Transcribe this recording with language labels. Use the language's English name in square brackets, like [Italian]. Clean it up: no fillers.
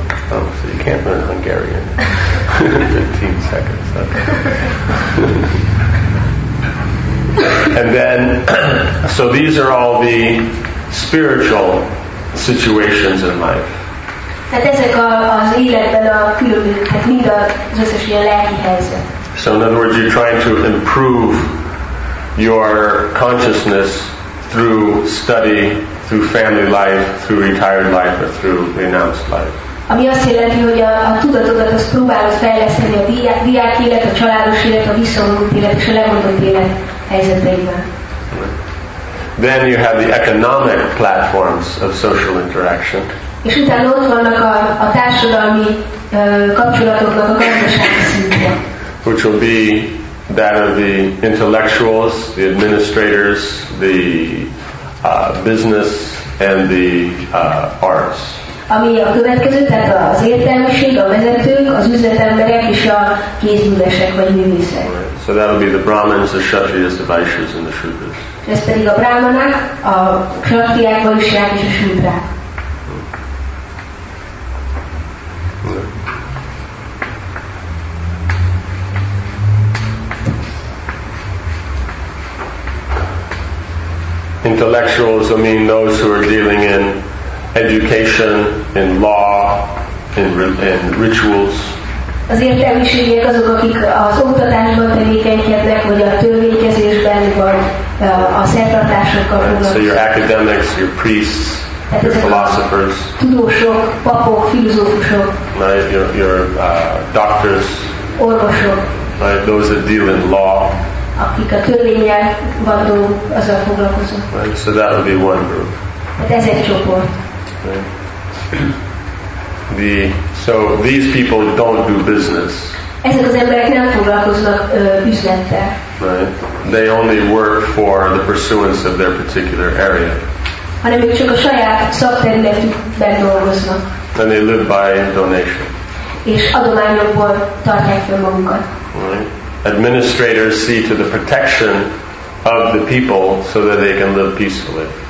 [English] Oh, so you can't learn Hungarian in 15 seconds. Okay. And then, so these are all the spiritual situations in life. [Hungarian] Tehát ezek az életben a különböző, hát mind az összes ilyen lelki helyzet. [English] So in other words, you're trying to improve your consciousness through study, through family life, through retired life, or through renounced life. [Hungarian] Ami azt jelenti, hogy a tudatodat azt próbálod fejleszteni a diák élet, a családos élet, a visszavonult élet és a lemondott élet helyzeteiben. [English] Then you have the economic platforms of social interaction. [Hungarian] És utána ott vannak a társadalmi kapcsolatoknak a gazdasági szintje. [English] Which will be that of the intellectuals, the administrators, the business, and the arts. [Hungarian] Ami a következő, tehát az értelmiség, a vezetők, az üzletemberek és a kézművesek vagy művészek. [English] Right. So that will be the Brahmins, the Kshatriyas, the Vaishyas, and the Shudras. [Hungarian] Ez pedig a Brahmanák, a Kshatriyák, Vaishyák és a Shudrák. [English] Intellectuals, I mean those who are dealing in education, in law, in rituals. [Hungarian] Az értelmiségiek azok, akik az oktatásban tevékenykednek, vagy a törvénykezésben, vagy a szertartásokkal foglalkoznak. [English] So your academics, your priests, your philosophers. [Hungarian] Tudósok, papok, filozófusok. [English] Your doctors. [Hungarian] Orvosok. [English] Right, those that deal in law. [Hungarian] Akik a törvénnyel van dolgok, azzal foglalkozunk. [English] Right, so that would be one group. [Hungarian] Hát ez egy csoport. [English] Right. So these people don't do business. [Hungarian] Ezek az emberek nem foglalkoznak üzlettel. [English] Right. They only work for the pursuance of their particular area. [Hungarian] Hanem ők csak a saját szakterületükben dolgoznak. [English] And they live by donation. [Hungarian] És adományokból tartják fel magukat. [English] Right. Administrators see to the protection of the people so that they can live peacefully.